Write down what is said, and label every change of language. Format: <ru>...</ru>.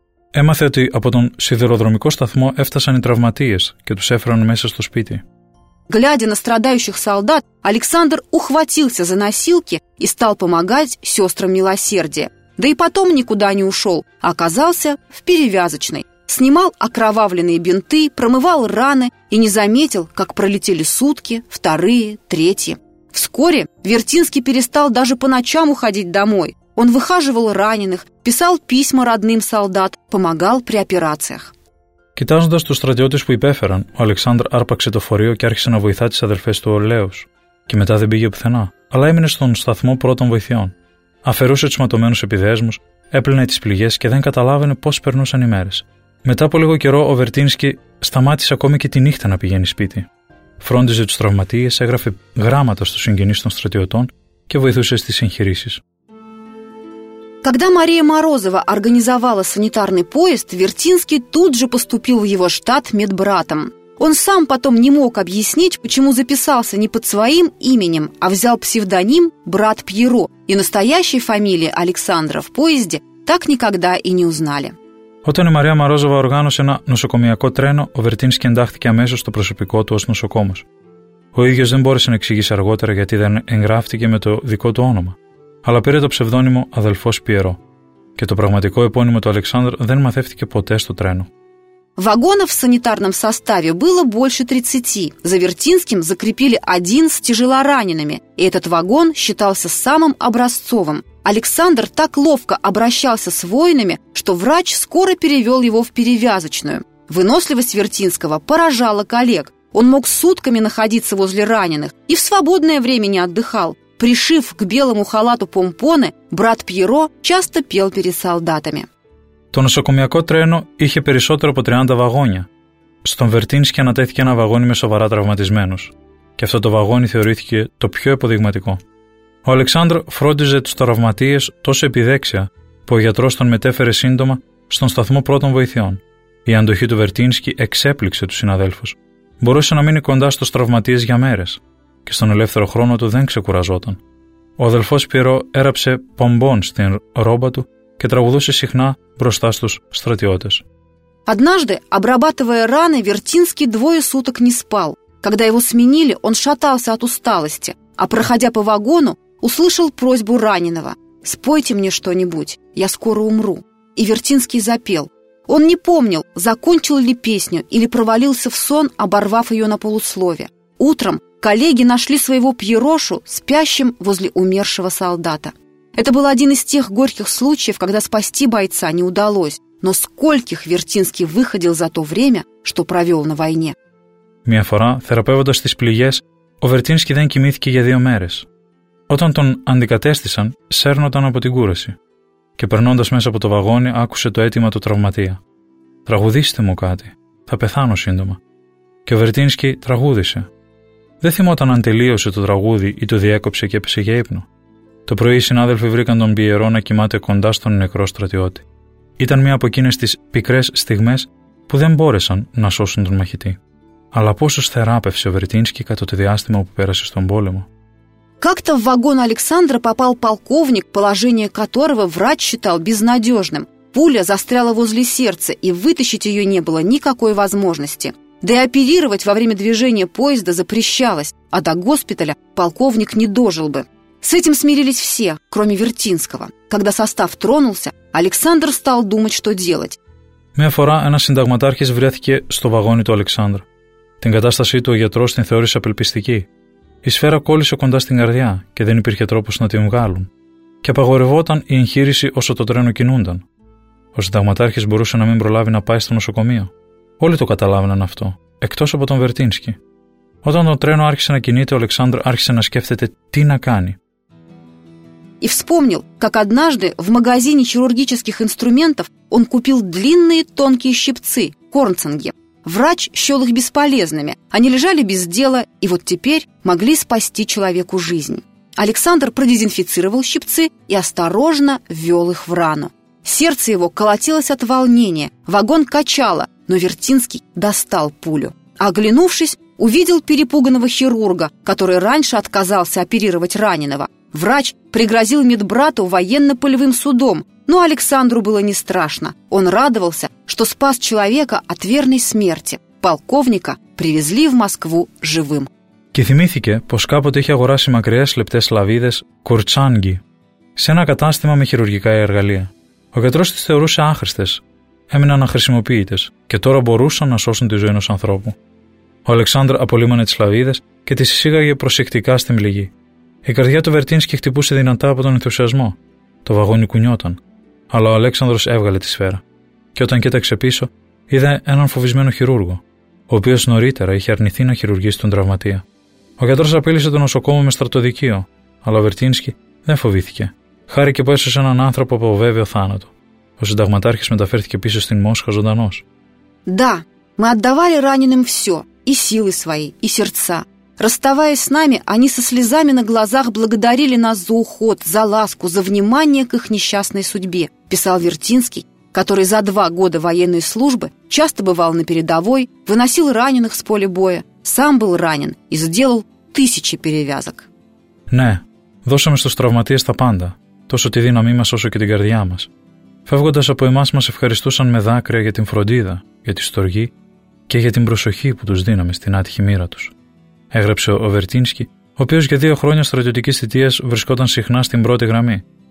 <el>Έμαθε ότι από τον σιδηροδρομικό σταθμό έφτασαν οι τραυματίες και τους έφεραν μέσα στο σπίτι.</el> <ru>Глядя на страдающих солдат, Александр ухватился за носилки и стал помогать сестрам милосердия. Да и потом никуда не ушел, а оказался в перевязочной. Снимал окровавленные бинты, промывал раны и не заметил, как пролетели сутки, 2-е, 3-е. Вскоре Вертинский перестал даже по ночам уходить домой. Он выхаживал раненых, писал письма родным солдат, помогал при операциях.</ru> <el>Κοιτάζοντας τους στρατιώτες που υπέφεραν, ο Αλεξάνδρ άρπαξε το φορείο και άρχισε να βοηθά τις αδερφές του ολέως. Και μετά δεν πήγε πουθενά, αλλά έμεινε στον σταθμό πρώτων βοηθειών. Αφαιρούσε τους ματωμένους επιδέσμους, έπλυνε τις πληγές και δεν καταλάβαινε πώς περνούσαν οι μέρες. Μετά από λίγο καιρό, ο Βερτίνσκι σταμάτησε ακόμη και τη νύχτα να πηγαίνει σπίτι. Φρόντιζε τους τραυματίες, έγραφε γράμματα στους συγγενείς των στρατιωτών και βοηθούσε στις εγχειρήσεις.</el> <ru>Когда Мария Морозова организовала санитарный поезд, Вертинский тут же поступил в его штат медбратом. Он сам потом не мог объяснить, почему записался не под своим именем, а взял псевдоним «Брат Пьеро», и настоящей фамилии Александра в поезде так никогда и не узнали.</ru> <el>Όταν η Μαρία Морозова οργάνωσε ένα νοσοκομιακό τρένο, ο Βερτίνσκι εντάχθηκε αμέσως στο προσωπικό του ως νοσοκόμος. Ο ίδιος δεν μπόρεσε να εξηγήσει αργότερα γιατί δεν εγγράφτηκε με το δικό του όνομα. Αλλά πήρε το ψευδώνυμο «Αδελφός Πιερό». Και το πραγματικό επώνυμο του Αλεξάνδρ δεν μαθεύτηκε ποτέ στο τρένο.</el> <ru>Вагонов в санитарном составе было больше 30. За Вертинским закрепили один с тяжелоранеными. И этот вагон считался самым образцовым. Александр так ловко обращался с воинами, что врач скоро перевел его в перевязочную. Выносливость Вертинского поражала коллег. Он мог сутками находиться возле раненых и в свободное время не отдыхал. Пришив к белому халату помпоны, брат Пьеро часто пел перед солдатами.</ru> <el>Το νοσοκομιακό τρένο είχε περισσότερο από 30 βαγόνια. Στον Βερτίνσκι ανατέθηκε ένα βαγόνι με σοβαρά τραυματισμένους. Και αυτό το βαγόνι θεωρήθηκε το πιο αποδειγματικό. Ο Αλεξάνδρ φρόντιζε τους τραυματίες τόσο επιδέξια που ο γιατρός τον μετέφερε σύντομα στον σταθμό πρώτων βοηθειών. Η αντοχή του Βερτίνσκι εξέπληξε τους συναδέλφους. Μπορούσε να μείνει κοντά στους τραυματίες για μέρες. και στον ελεύθερο χρόνο του δεν ξεκουραζόταν. Ο αδελφός Πιερό έραψε πομπόν στην ρόμπα του και τραγουδούσε συχνά μπροστά στους στρατιώτες.</el> <ru>Однажды, обрабатывая раны, Вертинский двое суток не спал. Когда его сменили, он шатался от усталости, а проходя по вагону, услышал просьбу раненого: «Спойте мне что-нибудь, я скоро умру». И Вертинский запел. Он не помнил, закончил ли песню или провалился в сон, оборвав ее на полуслове. Утром коллеги нашли своего Пьерошу, спящим возле умершего солдата. Это был один из тех горьких случаев, когда спасти бойца не удалось. Но скольких Вертинский выходил за то время, что провел на войне?</ru> <el>Μια φορά, θεραπεύοντας τις πληγές, ο Βερτίνσκι δεν κοιμήθηκε για δύο μέρες. Όταν τον αντικατέστησαν, σέρνονταν από την κούραση. Και περνώντας μέσα από το βαγόνι, άκουσε το αίτημα του τραυματία. «Τραγουδήστε μου κάτι. Θα πεθάνω σύντομα». Και ο Βερτίνσκι τραγούδησε. Δεν θυμόταν αν τελείωσε το τραγούδι ή το διέκοψε και έπεσε για ύπνο. Το πρωί, οι συνάδελφοι βρήκαν τον Πιερό να κοιμάται κοντά στον νεκρό στρατιώτη. Ήταν μία από εκείνες τις πικρές στιγμές που δεν μπόρεσαν να σώσουν τον μαχητή. Αλλά πόσο θεράπευσε ο Βερτίνσκι κατά το διάστημα που πέρασε στον πόλεμο.</el> <ru>Как-то в вагон Александра попал полковник, положение которого врач считал безнадежным. Пуля застряла возле сердца, и вытащить ее не было никакой возможности. Да и оперировать во время движения поезда запрещалось, а до госпиталя полковник не дожил бы. С этим смирились все, кроме Вертинского. Когда состав тронулся, Александр стал думать, что делать.</ru> <el>Μια φορά ένας συνταγματάρχης βρέθηκε στο βαγόνι του Αλεξάνδρ. Την κατάστασή του ο γιατρός την θεώρησε απελπιστική. Η σφαίρα κόλλησε κοντά στην καρδιά και δεν υπήρχε τρόπος να την βγάλουν. Και απαγορευόταν η εγχείρηση όσο το τρένο κινούνταν. Ο συνταγματάρχης μπορούσε να μην προλάβει να πάει στο νοσοκομείο. Όλοι το καταλάβαιναν αυτό, εκτός από τον Βερτίνσκι. Όταν το τρένο άρχισε να κινείται, ο Αλεξάνδρ άρχισε να σκέφτεται τι να κάνει.</el> <ru>И вспомнил, как однажды в магазине хирургических инструментов он купил длинные тонкие щипцы, корнцинги. Врач счел их бесполезными, они лежали без дела и вот теперь могли спасти человеку жизнь. Александр продезинфицировал щипцы и осторожно ввел их в рану. Сердце его колотилось от волнения, вагон качало, но Вертинский достал пулю. Оглянувшись, увидел перепуганного хирурга, который раньше отказался оперировать раненого. Врач пригрозил медбрату военно-полевым судом, но Александру было не страшно. Он радовался, что спас человека от верной смерти. Полковника привезли в Москву живым.</ru> <el>Και θυμήθηκε πως κάποτε είχε αγοράσει μακριές λεπτές λαβίδες κουρτσάνγκι σε ένα κατάστημα με χειρουργικά εργαλεία. Ο γιατρός τις θεωρούσε άχρηστες, έμειναν αχρησιμοποιητές και τώρα μπορούσαν να σώσουν τη ζωή ενός ανθρώπου. Ο Αλεξάνδρ απολύμανε τις λαβίδες και τις εισήγαγε προσεκτικά στην πληγή. Η καρδιά του Βερτίνσκι χτυπούσε δυνατά από τον ενθουσιασμό. Το βαγόνι κουνιόταν. Αλλά ο Αλέξανδρος έβγαλε τη σφαίρα. Και όταν κοίταξε πίσω, είδε έναν φοβισμένο χειρούργο, ο οποίος νωρίτερα είχε αρνηθεί να χειρουργήσει τον τραυματία. Ο γιατρός απείλησε το νοσοκόμο με στρατοδικείο, αλλά ο Βερτίνσκι δεν φοβήθηκε. Χάρηκε που έσωσε έναν άνθρωπο από βέβαιο θάνατο. Ο συνταγματάρχης μεταφέρθηκε πίσω στην Μόσχα ζωντανός.</el> <ru>Да, мы отдавали раненым все, и силы свои, и сердца. Расставаясь с нами, они со слезами на глазах благодарили нас за уход, за ласку, за внимание к их несчастной судьбе, писал Вертинский, который за два года военной службы часто бывал на передовой, выносил раненых с поля боя, сам был ранен и сделал тысячи перевязок.</ru> <el>Ναι, δώσαμε στους τραυματίες τα πάντα, τόσο τη δύναμή μας όσο και την καρδιά μας. Φεύγοντας από εμάς μας ευχαριστούσαν με δάκρυα για την φροντίδα, για τη στοργή και για την προσοχή που τους δίναμε στην άτυχη μοίρα τους. Έγραψε ο Βερτίνσκι, ο οποίος για δύο χρόνια στρατιωτικής θητείας βρισκόταν συχνά στην πρώτη γραμμή.</el>